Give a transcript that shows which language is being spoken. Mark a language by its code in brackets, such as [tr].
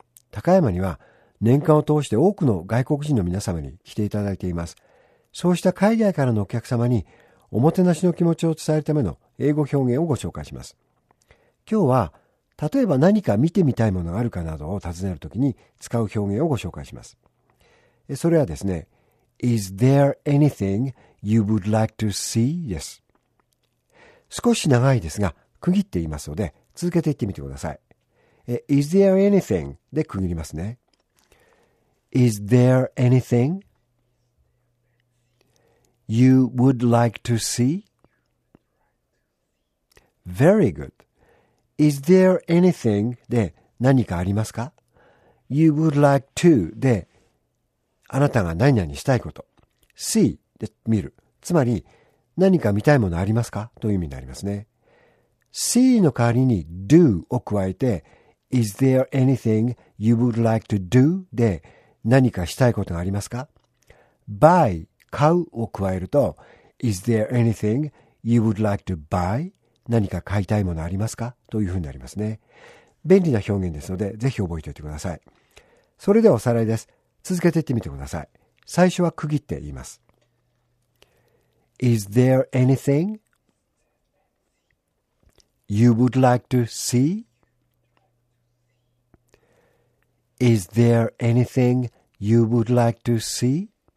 [ja] 高山には年間を通して多くの外国人の皆様に来ていただいています。そうした海外からのお客様におもてなしの気持ちを伝えるための英語表現をご紹介します。今日は、例えば何か見てみたいものがあるかなどを尋ねるときに使う表現をご紹介します。それはですね、 [en] Is there anything you would like to see? [ja] です。少し長いですが、区切って言いますので、続けていってみてください。 [en] Is there anything? [ja] で区切りますね。 [en] Is there anything you would like to see? Very good. Is there anything? [ja] で何かありますか? [en] You would like to? [ja] で、あなたが何々したいこと。 See? で見る。つまり、何か見たいものありますか?という意味になりますね。 See の代わりに do を加えて [en] Is there anything you would like to do? [ja] で何かしたいことがありますか? [en] Buy [ja] 買うを加えると [en] Is there anything you would like to buy? [ja] 何か買いたいものありますか?というふうになりますね。便利な表現ですのでぜひ覚えておいてください。それではおさらいです。続けていってみてください。最初は区切って言います。 [en] Is there anything you would like to see? Is there anything you would like to see?